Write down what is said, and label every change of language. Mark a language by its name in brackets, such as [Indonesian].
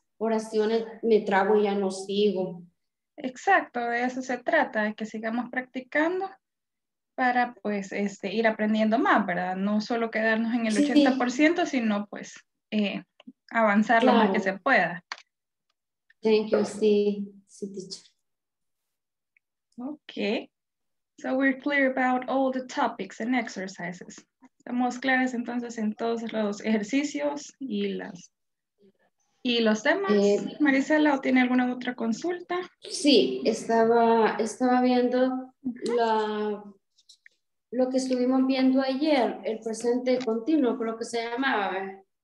[Spanish] oraciones, me trago y ya no sigo. Exacto, de eso se trata, de que sigamos practicando para pues ir aprendiendo más, ¿verdad? No solo quedarnos en el 80%, sino pues avanzar lo más que se pueda. [English] Thank you, sí, teacher. Okay, so we're clear about all the topics and exercises. [Spanish] Estamos claras entonces en todos los ejercicios y las... ¿Y los temas? Marisela, ¿tiene alguna otra consulta? Sí, estaba viendo lo que estuvimos viendo ayer, el presente continuo, creo que se llamaba.